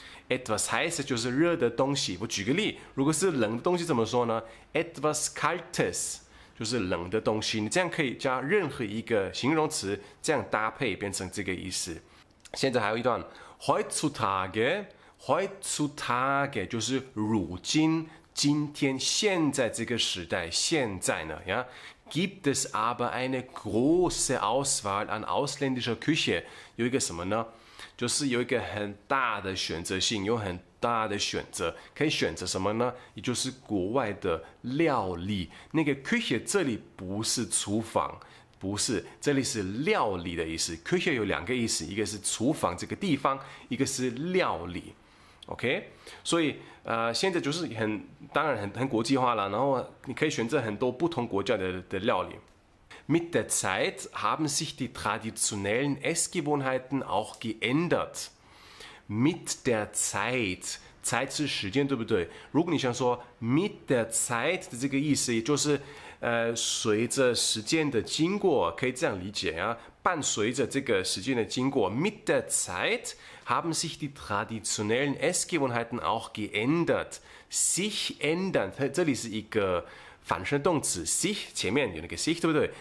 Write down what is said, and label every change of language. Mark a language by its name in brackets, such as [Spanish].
[German] Etwas heißes [Chinese] 就是热的东西。我举个例，如果是冷的东西怎么说呢？ [German] Etwas kaltes [Chinese] 就是冷的东西。你这样可以加任何一个形容词，这样搭配变成这个意思。现在还有一段，heutzutage 就是如今。今天，现在这个时代，现在呢呀， [German] gibt es aber eine große Auswahl an ausländischer Küche？ [Chinese] 有一个什么呢？就是有一个很大的选择性，有很大的选择，可以选择什么呢？也就是国外的料理。那个 Küche 这里不是厨房，不是,这里是料理的意思,Küche 有两个意思,一个是厨房这个地方,一个是料理。 OK,所以现在就是很当然很国际化了,然后你可以选择很多不同国家的料理。 [German] Mit der Zeit haben sich die traditionellen Essgewohnheiten auch geändert. [Chinese] Mit der Zeit, Zeit 是时间,对不对? 如果你想说 [German] mit der Zeit [Chinese] 的这个意思,也就是 随着时间的经过,可以这样理解,伴随着这个时间的经过, [German] mit der Zeit haben sich die traditionellen Essgewohnheiten auch geändert. Sich ändern, [Chinese] 这里是一个反身动词, sich,前面有那个sich,对不对?